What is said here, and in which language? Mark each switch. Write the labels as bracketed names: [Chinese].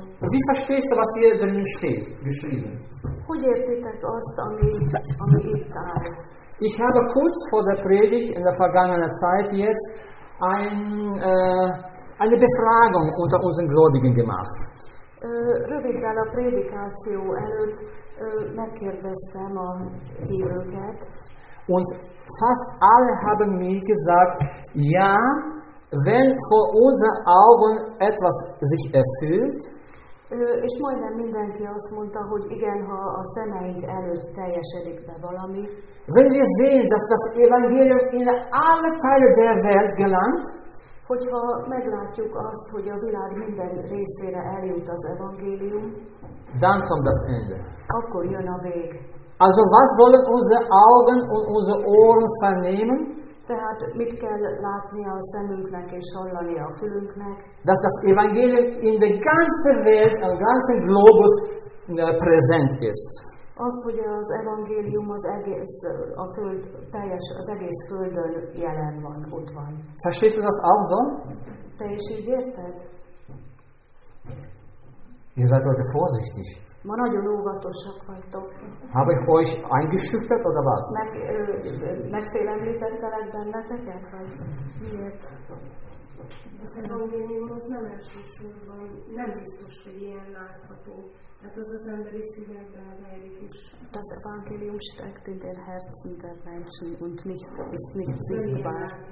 [German] Wie verstehst du, was hier drin steht, geschrieben? [Hungarian] Hogy értitek azt, ami itt áll? [German] Ich habe kurz vor der Predigt in der vergangenen Zeit jetzt eine Befragung unter unseren Gläubigen gemacht. [Hungarian] Röviddel a prédikáció előtt megkérdeztem a hívőket. [German] Und fast alle haben mir gesagt, ja, wenn vor unseren Augen etwas sich erfüllt. [Hungarian] És majdnem mindenki azt mondta, hogy igen, ha a szemeink előtt teljesedik be valami. [German] Wenn wir sehen, dass das Evangelium in alle Teile der Welt gelangt, [Hungarian] hogyha meglátjuk azt, hogy a világ minden részére eljut az evangélium, [German] dann kommt das Ende. [Hungarian] Akkor jön a vég. [German] Also was wollen unsere Augen und unsere Ohren vernehmen? [Hungarian] Tehát mit kell látni a szemünknek és hallani a fülünknek? [German] Dass das Evangelium in der ganzen Welt, im ganzen Globus präsent ist. [Hungarian] Azt, hogy az evangélium az egész a föld teljes az egész földön jelen van, ott van. [German] Verstehst du das auch so? [Hungarian] Te is így érted? [German] Ihr seid heute vorsichtig. [Hungarian] Ma nagyon óvatosak vagytok. [German] Habe ich euch eingeschüchtert oder was? [Hungarian] Megfélemlítettelek benneteket, vagy miért? Az evangélium az nem elsősorban, nem biztos, hogy ilyen látható. Hát az az emberi szívekben verik is. [German] Das Evangelium steckt in der Herzen der Menschen und nicht, ist nicht sichtbar.